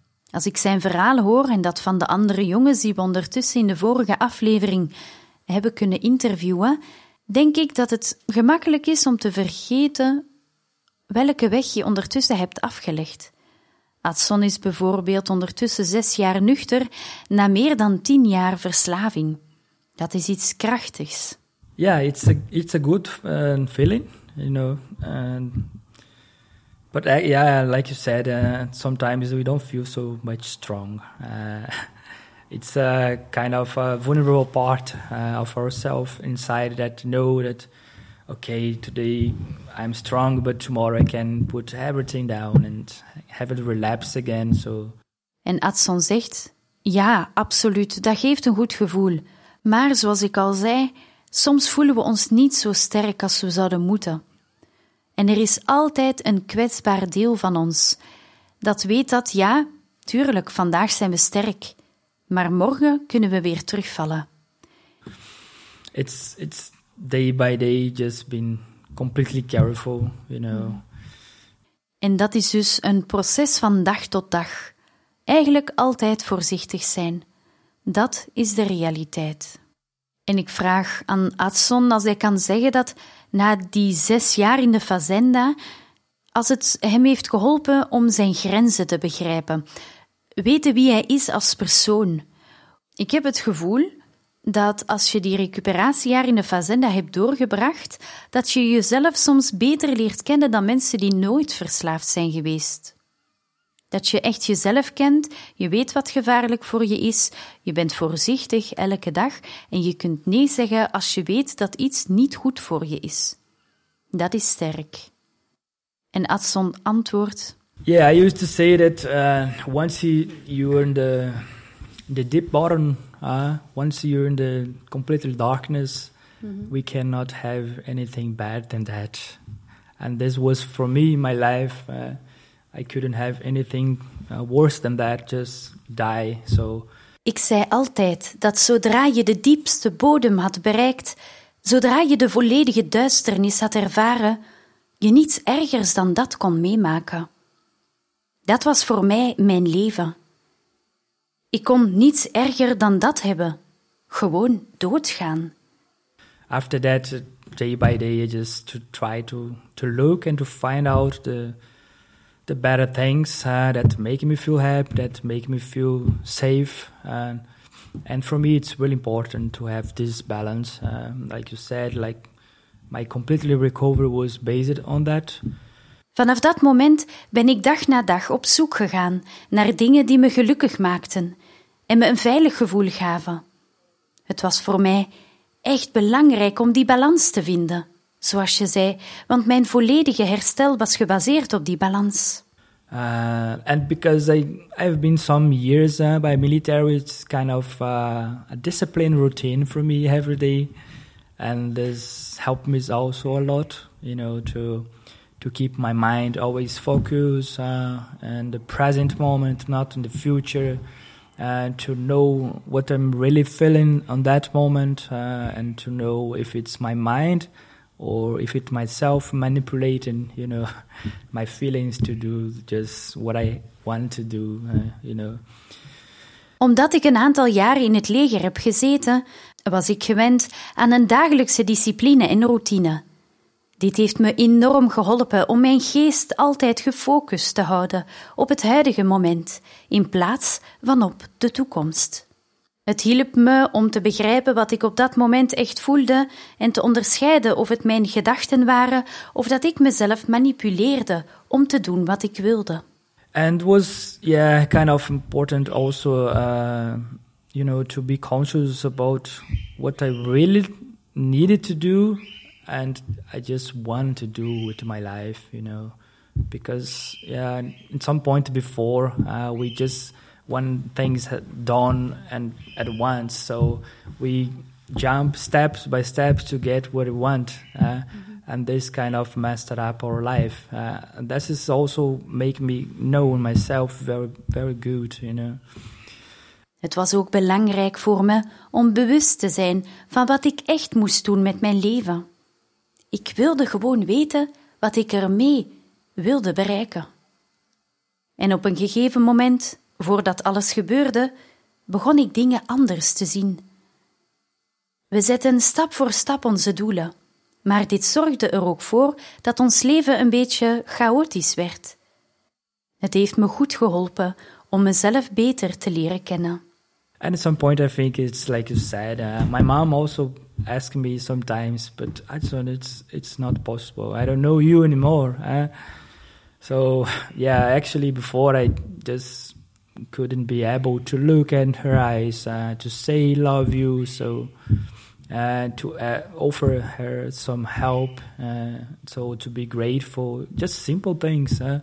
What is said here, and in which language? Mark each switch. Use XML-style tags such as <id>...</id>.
<nl>Als ik zijn verhaal hoor en dat van de andere jongens die we ondertussen in de vorige aflevering hebben kunnen interviewen, denk ik dat het gemakkelijk is om te vergeten welke weg je ondertussen hebt afgelegd. Adson is bijvoorbeeld ondertussen 6 jaar nuchter na meer dan 10 jaar verslaving. Dat is iets krachtigs.</nl> <en>Ja, yeah, it's a good feeling, you know. But yeah, like you said, sometimes we don't feel so much strong. It's a kind of a vulnerable part of ourselves inside that know that, okay, today I'm strong, but tomorrow I can put everything down and have it relapse again. So.</en> <nl>En Adson zegt, ja, absoluut, dat geeft een goed gevoel. Maar zoals ik al zei, soms voelen we ons niet zo sterk als we zouden moeten. En er is altijd een kwetsbaar deel van ons. Dat weet dat, ja, tuurlijk, vandaag zijn we sterk. Maar morgen kunnen we weer terugvallen.</nl> <en>It's day by day just been completely careful, you know.</en> <nl>En dat is dus een proces van dag tot dag. Eigenlijk altijd voorzichtig zijn. Dat is de realiteit. En ik vraag aan Adson als hij kan zeggen dat na die 6 jaar in de fazenda, als het hem heeft geholpen om zijn grenzen te begrijpen, weten wie hij is als persoon. Ik heb het gevoel dat als je die recuperatiejaar in de fazenda hebt doorgebracht, dat je jezelf soms beter leert kennen dan mensen die nooit verslaafd zijn geweest. Dat je echt jezelf kent, je weet wat gevaarlijk voor je is, je bent voorzichtig elke dag en je kunt nee zeggen als je weet dat iets niet goed voor je is. Dat is sterk. En Adson antwoordt...</nl> <en>Yeah, I used to say that once you're in the deep bottom, once you're in the complete darkness, mm-hmm. we cannot have anything bad than that. And this was for me, my life... I couldn't have anything worse than that, just die, so...</en> <nl>Ik zei altijd dat zodra je de diepste bodem had bereikt, zodra je de volledige duisternis had ervaren, je niets ergers dan dat kon meemaken. Dat was voor mij mijn leven. Ik kon niets erger dan dat hebben. Gewoon doodgaan.</nl> <en>After that, day by day, you just to try to look and to find out the better things that make me feel happy, that make me feel safe. And for me, it's really important to have this balance. Like you said, like my completely recovery was based on that.</en> <nl>Vanaf dat moment ben ik dag na dag op zoek gegaan naar dingen die me gelukkig maakten en me een veilig gevoel gaven. Het was voor mij echt belangrijk om die balans te vinden. Zoals je zei, want mijn volledige herstel was gebaseerd op die balans.</nl> <en>And because I've been some years by military, it's kind of a discipline routine for me every day. And this helped me also a lot, you know, to keep my mind always focused in the present moment, not in the future. To know what I'm really feeling on that moment and to know if it's my mind... Or if it myself manipulating, you know, my feelings to do just what I want to do, you know.</en> <nl>Omdat ik een aantal jaren in het leger heb gezeten, was ik gewend aan een dagelijkse discipline en routine. Dit heeft me enorm geholpen om mijn geest altijd gefocust te houden op het huidige moment, in plaats van op de toekomst. Het hielp me om te begrijpen wat ik op dat moment echt voelde en te onderscheiden of het mijn gedachten waren of dat ik mezelf manipuleerde om te doen wat ik wilde.</nl> <en>And was yeah kind of important also you know to be conscious about what I really needed to do and I just wanted to do with my life, you know, because yeah in some point before we just when things had done and at once. So we jump step by step to get what we want. And this kind of messed up our life. This is also make me know myself very, very good, you know.</en> <nl>Het was ook belangrijk voor me om bewust te zijn van wat ik echt moest doen met mijn leven. Ik wilde gewoon weten wat ik ermee wilde bereiken. En op een gegeven moment... Voordat alles gebeurde, begon ik dingen anders te zien. We zetten stap voor stap onze doelen, maar dit zorgde er ook voor dat ons leven een beetje chaotisch werd. Het heeft me goed geholpen om mezelf beter te leren kennen.</nl> <en>And at some point I think it's like you said, my mom also asked me sometimes, but Adson, it's not possible. I don't know you anymore. So yeah, actually before I just couldn't be able to look in her eyes, to say love you, so to offer her some help, so to be grateful, just simple things.</en>